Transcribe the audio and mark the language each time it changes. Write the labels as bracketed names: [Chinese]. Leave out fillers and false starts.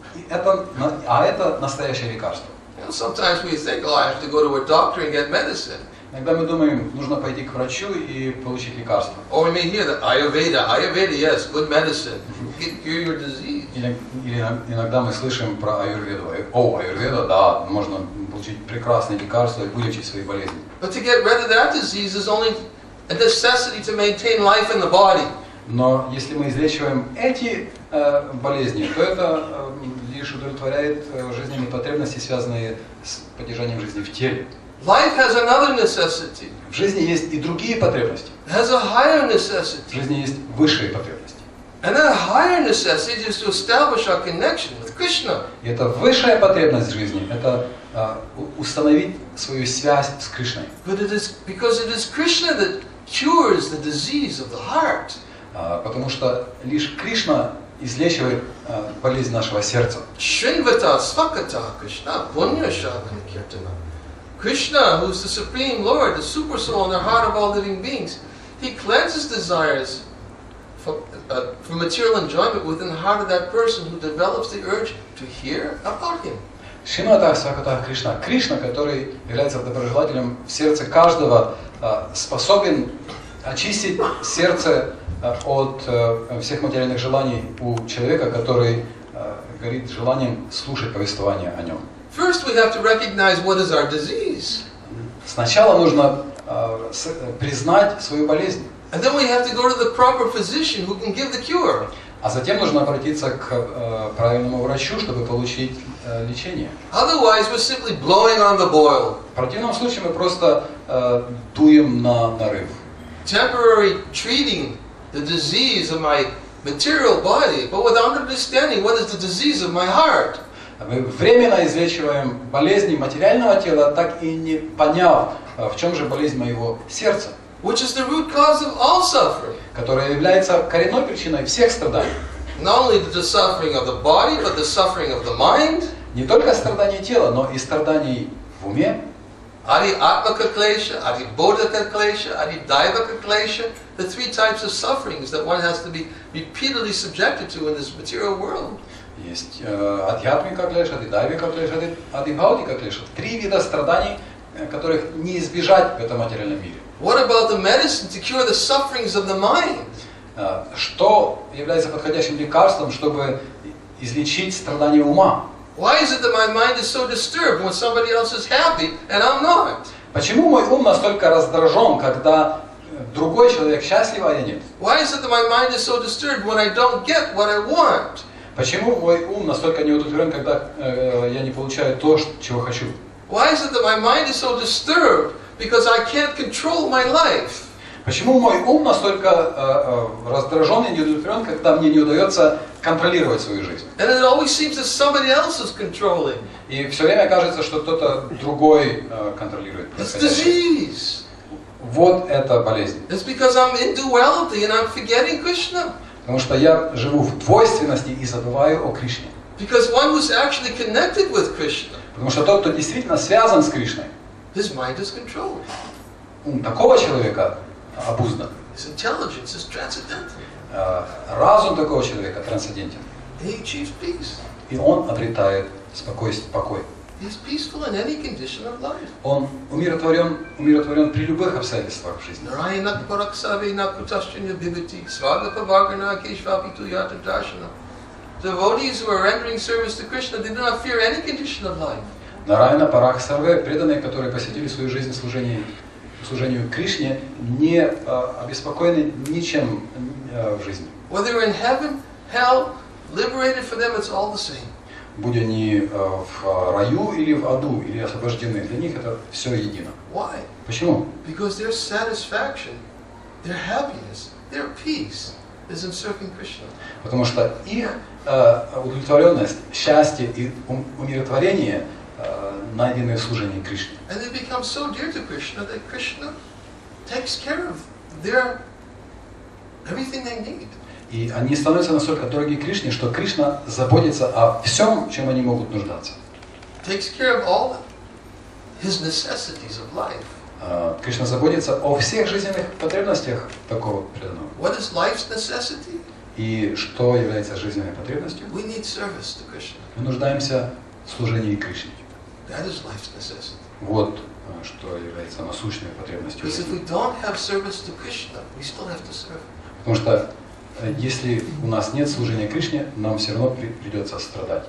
[Russian] это настоящее лекарство. [English] Sometimes we think, "Oh, I have to go to a doctor and get medicine." [Russian] Иногда мы думаем, нужно пойти к врачу и получить лекарство. [English] Or we may hear that Ayurveda, yes, good medicine. Cure your disease. [Russian] Или иногда мы слышим про Аюрведу. Аюрведа, да, можно получить прекрасное лекарство и вылечить свои болезни. [English] But to get rid of that disease is only a necessity to maintain life in the body. [Russian] Но если мы излечиваем эти болезни, то это лишь удовлетворяет жизненные потребности, связанные с поддержанием жизни в теле. [English] Life has another necessity. [Russian] В жизни есть и другие потребности. [English] Has a higher necessity. [Russian] В жизни есть высшие потребности. [English] And that higher necessity is to establish our connection with Krishna. [Russian] Это высшая потребность жизни. Это установить свою связь с Кришной. [English] But it is because it is Krishna that cures the disease of the heart. [Russian] Потому что лишь Кришна излечивает болезнь нашего сердца. [Sanskrit] Шринвата сваката Кришна пунья шадхана киртана. [English] Krishna, who is the supreme Lord, the super soul in the heart of all living beings, he cleanses desires for material enjoyment within the heart of that person who develops the urge to hear about him. [Sanskrit] Шримата Свакатах Кришна, [Russian] Кришна, который является доброжелателем в сердце каждого, способен очистить сердце от всех материальных желаний у человека, который горит желанием слушать повествование о нем. [English] First we have to recognize what is our disease. [Russian] Сначала нужно признать свою болезнь. [English] And then we have to go to the proper physician who can give the cure. [Russian] А затем нужно обратиться к правильному врачу, чтобы получить лечение. [English] Otherwise we're simply blowing on the boil. [Russian] В противном случае мы просто дуем на нарыв. [English] Temporary treating the disease of my material body, but without understanding what is the disease of my heart. [Russian] Мы временно излечиваем болезни материального тела, так и не поняв, в чем же болезнь моего сердца. [English] Which is the root cause of all suffering. [Russian] Которая является коренной причиной всех страданий. [English] Not only the suffering of the body, but the suffering of the mind. [Russian] Не только страдания тела, но и страданий в уме. [Sanskrit] Ari atmaka klesha, ari bodhaka klesha, ari daivaka klesha. [English] The three types of sufferings that one has to be repeatedly subjected to in this material world. [Russian] Есть [Sanskrit] адхьятмика клеша, адхидайвика клеша, адхибхаутика клеша. [Russian] Три вида страданий, которых не избежать в этом материальном мире. [English] What about the medicine to cure the sufferings of the mind? [Russian] Что является подходящим лекарством, чтобы излечить страдания ума? [English] Why is it that my mind is so disturbed when somebody else is happy and I'm not? [Russian] Почему мой ум настолько раздражен, когда другой человек счастлив, а я нет? [English] Why is it that my mind is so disturbed when I don't get what I want? [Russian] Почему мой ум настолько неудовлетворен, когда я не получаю то, чего хочу? [English] Why is it that my mind is so disturbed? Because I can't control my life. [Russian] Почему мой ум настолько раздражен и неудовлетворен, когда мне не удается контролировать свою жизнь? [English] And it always seems that somebody else is controlling. [Russian] И все время кажется, что кто-то другой контролирует. [English] It's disease. [Russian] Вот это болезнь. [English] It's because I'm in duality and I'm forgetting Krishna. [Russian] Потому что я живу в двойственности и забываю о Кришне. [English] Because one who's actually connected with Krishna. [Russian] Потому что тот, кто действительно связан с Кришной. [English] His mind is controlled. [Russian] Ум такого человека обуздан. [English] His intelligence is transcendental. [Russian] Разум такого человека трансцендентен. [English] He achieves peace. [Russian] И он обретает спокойствие, покой. [English] He is peaceful in any condition of life. [Russian] Он умиротворен при любых обстоятельствах в жизни. [Sanskrit] Narayana paraksave nakutashchanya bibhati svagata vagana keshvapi tuyata dashana. [English] Devotees who are rendering service to Krishna, they do not fear any condition of life. [Sanskrit] Нараяна Параксарве, [Russian] преданные, которые посвятили свою жизнь служению Кришне, не обеспокоены ничем в жизни. [English] Whether in heaven, hell, liberated for them, it's all the same. [Russian] Будь они в раю или в аду, или освобождены, для них это все едино. [English] Why? [Russian] Почему? [English] Because their satisfaction, their happiness, their peace is in serving Krishna. [Russian] Потому что их удовлетворенность, счастье и умиротворение найденные в служении Кришне. [English] And they become so dear to Krishna that Krishna takes care of their everything they need. [Russian] И они становятся настолько дороги Кришне, что Кришна заботится о всем, чем они могут нуждаться. [English] Takes care of all his necessities of life. [Russian] Кришна заботится о всех жизненных потребностях такого преданного. [English] What is life's necessity? [Russian] И что является жизненной потребностью? [English] We need service to Krishna. [Russian] Мы нуждаемся в служении Кришне. [English] That is life's necessity. [Russian] Вот что является насущной потребностью. [English] Because if we don't have service to Krishna, we still have to serve. [Russian] Потому что если у нас нет служения Кришне, нам все равно придется страдать.